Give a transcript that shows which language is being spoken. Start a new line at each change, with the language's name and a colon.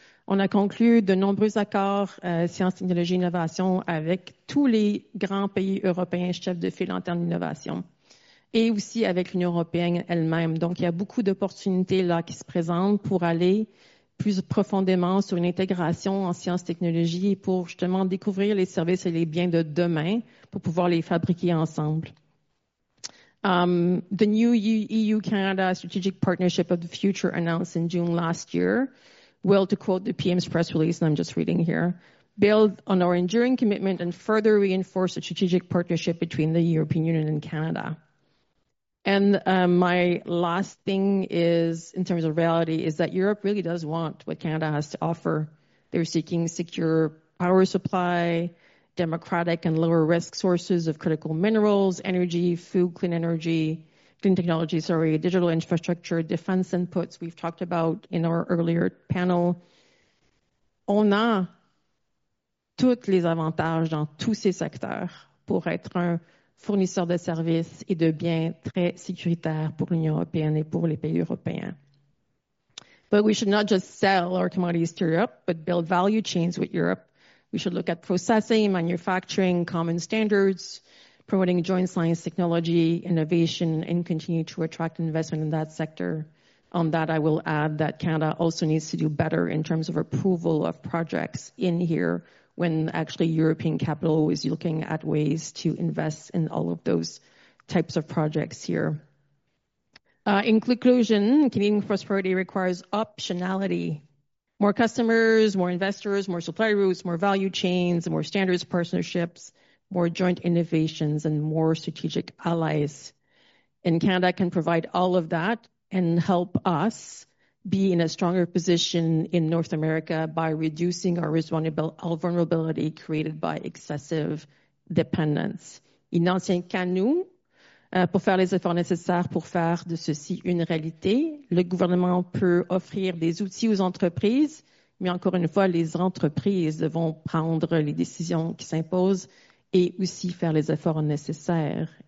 French: On a conclu de nombreux accords sciences, technologie, innovation avec tous les grands pays européens chefs de file en termes d'innovation et aussi avec l'Union européenne elle-même. Donc, il y a beaucoup d'opportunités là qui se présentent pour aller plus profondément sur une intégration en sciences, technologies et pour justement découvrir les services et les biens de demain pour pouvoir les fabriquer ensemble.
English: The new EU-Canada Strategic Partnership of the Future announced in June last year will, to quote the PM's press release, and I'm just reading here, build on our enduring commitment and further reinforce the strategic partnership between the European Union and Canada. And my last thing is, in terms of reality, is that Europe really does want what Canada has to offer. They're seeking secure power supply, democratic and lower risk sources of critical minerals, energy, food, clean technology, digital infrastructure, defense inputs we've talked about in our earlier panel.
French: On a tous les avantages dans tous ces secteurs pour être un fournisseur de services et de biens très sécuritaire pour l'Union européenne et pour les pays européens.
English: But we should not just sell our commodities to Europe, but build value chains with Europe. We should look at processing, manufacturing, common standards, promoting joint science technology, innovation, and continue to attract investment in that sector. On that, I will add that Canada also needs to do better in terms of approval of projects in here when actually European capital is looking at ways to invest in all of those types of projects here. In conclusion, Canadian prosperity requires optionality. More customers, more investors, more supply routes, more value chains, more standards partnerships, more joint innovations, and more strategic allies. And Canada can provide all of that and help us be in a stronger position in North America by reducing our vulnerability created by excessive dependence.
French: Il n'en tient qu'à nous pour faire les efforts nécessaires pour faire de ceci une réalité. Le gouvernement peut offrir des outils aux entreprises, mais encore une fois, les entreprises devront prendre les décisions qui s'imposent et aussi faire les efforts nécessaires.